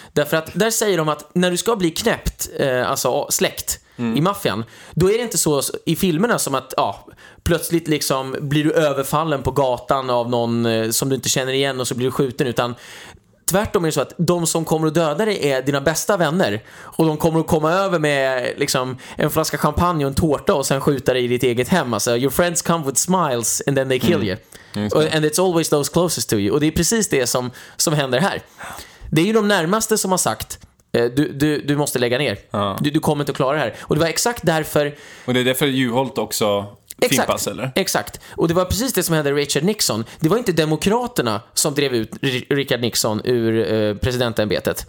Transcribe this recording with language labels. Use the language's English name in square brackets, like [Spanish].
[Swedish] Därför att där säger de att när du ska bli knäppt, alltså släckt i maffian, då är det inte så i filmerna som att plötsligt liksom blir du överfallen på gatan av någon som du inte känner igen och så blir du skjuten, utan tvärtom är det så att de som kommer att döda dig är dina bästa vänner, och de kommer att komma över med liksom en flaska champagne och en tårta och sen skjuta dig i ditt eget hem. Alltså, [English] your friends come with smiles and then they kill you. And it's always those closest to you. [Swedish] Och det är precis det som händer här. Det är ju de närmaste som har sagt du måste lägga ner. Ja. Du kommer inte att klara det här. Och det var exakt därför... Och det är därför Juholt också... Exakt, fimpas, eller? Exakt. Och det var precis det som hände Richard Nixon. Det var inte demokraterna som drev ut Richard Nixon ur presidentämbetet.